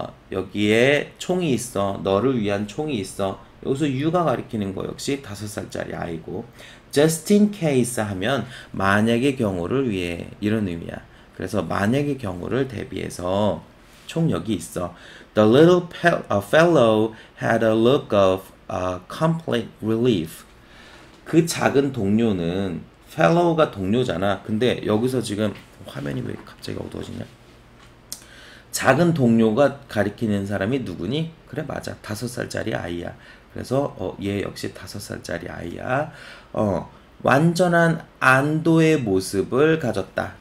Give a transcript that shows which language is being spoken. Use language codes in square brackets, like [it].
[ko] 여기에 총이 있어. 너를 위한 총이 있어. 여기서 you가 가리키는 거 역시 5살짜리 아이고. [en] Just in case [ko] 하면 만약의 경우를 위해 이런 의미야. 그래서 만약의 경우를 대비해서 총 여기 있어. [en] The little fellow had a look of complete relief. [ko] 그 작은 동료는 fellow가 동료잖아. 근데 여기서 지금 화면이 왜 갑자기 어두워지냐? 작은 동료가 가리키는 사람이 누구니? 그래, 맞아. 5살짜리 아이야. 그래서 얘 역시 5살짜리 아이야. 완전한 안도의 모습을 가졌다.